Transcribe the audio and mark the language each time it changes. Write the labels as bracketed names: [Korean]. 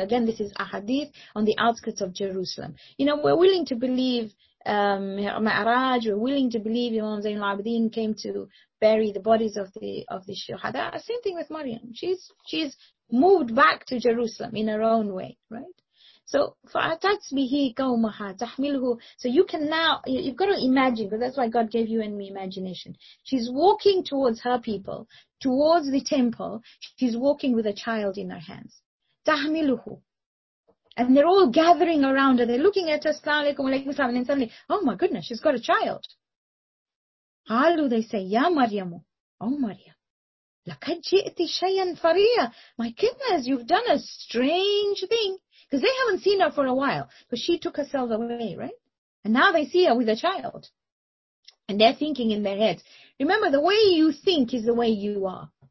[English] Again, this is a hadith on the outskirts of Jerusalem. You know, we're willing to believe Mi'raj. We're willing to believe Imam Zain al-Abidin came to bury the bodies of the shuhada. Same thing with Maryam. She's moved back to Jerusalem in her own way, right? [Arabic] So فَأَتَتْ قَوْمَهَا تَحْمِلْهُ. [English] So you can now, you've got to imagine, because that's why God gave you and me imagination. She's walking towards her people, towards the temple. She's walking with a child in her hands. [Arabic] تَحْمِلُهُ. [English] And they're all gathering around her. They're looking at her, salaikum alaikum salam. And then suddenly, oh my goodness, she's got a child. [Arabic] قَالُوا, [English] they say, [Arabic] يَا مَرْيَمُ. Oh, Maryam. لَكَدْ جِئْتِ شَيْئًا فَرِيًّا. [English] My goodness, you've done a strange thing. Because they haven't seen her for a while. Because she took herself away, right? And now they see her with a child. And they're thinking in their heads. Remember, the way you think is the way you are.